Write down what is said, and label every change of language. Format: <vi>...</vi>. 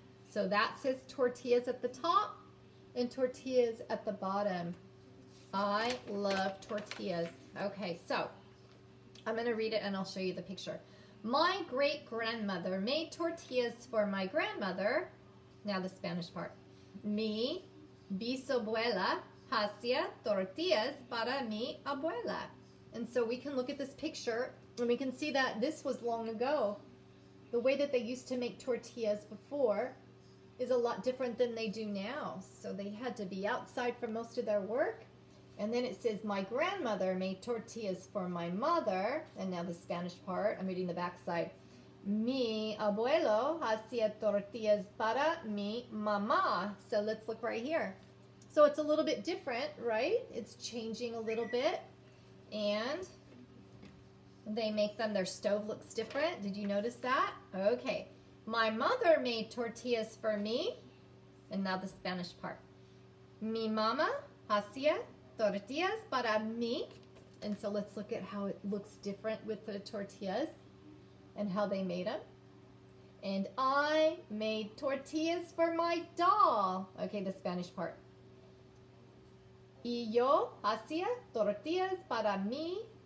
<en>So that says tortillas at the top and tortillas at the bottom. I love tortillas. Okay, so I'm going to read it and I'll show you the picture. My great-grandmother made tortillas for my grandmother. Now the Spanish part.</en> <es>Mi bisabuela hacía tortillas para mi abuela.</es> <en>And so we can look at this picture and we can see that this was long ago. The way that they used to make tortillas before is a lot different than they do now. So they had to be outside for most of their work. And then it says, my grandmother made tortillas for my mother. And now the Spanish part, I'm reading the backside.</en> <es>Mi abuelo hacía tortillas para mi mamá.</es> <en>So let's look right here. So it's a little bit different, right? It's changing a little bit. And they make them, their stove looks different. Did you notice that? Okay. My mother made tortillas for me. And now the Spanish part.</en> <es>Mi mamá hacía tortillas para mi.</es> <en>And so let's look at how it looks different with the tortillas and how they made them. And I made tortillas for my doll. Okay, the Spanish part.</en> <es>Y yo hacía tortillas para mí.</es>